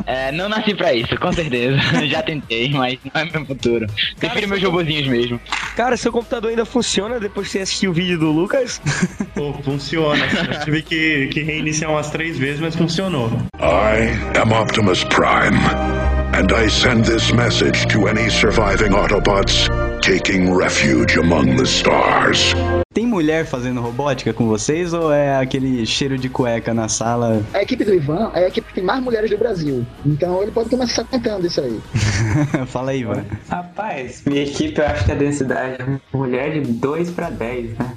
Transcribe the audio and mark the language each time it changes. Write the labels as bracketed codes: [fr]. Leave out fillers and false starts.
[pt] É, não nasci pra isso, com certeza. Já tentei, mas não é meu futuro. Prefiro meus robozinhos mesmo. Cara, seu computador ainda funciona depois de você assistir o vídeo do Lucas? Pô, funciona. Eu tive que reiniciar umas 3 vezes, mas funcionou. [en] I am Optimus Prime, and I send this message to any surviving Autobots taking refuge among the stars. [pt] Tem mulher fazendo robótica com vocês ou é aquele cheiro de cueca na sala? A equipe do Ivan é a equipe que tem mais mulheres do Brasil. Então ele pode começar tentando isso aí. Fala aí, Ivan. Rapaz, minha equipe, eu acho que a densidade é mulher de 2 para 10, né?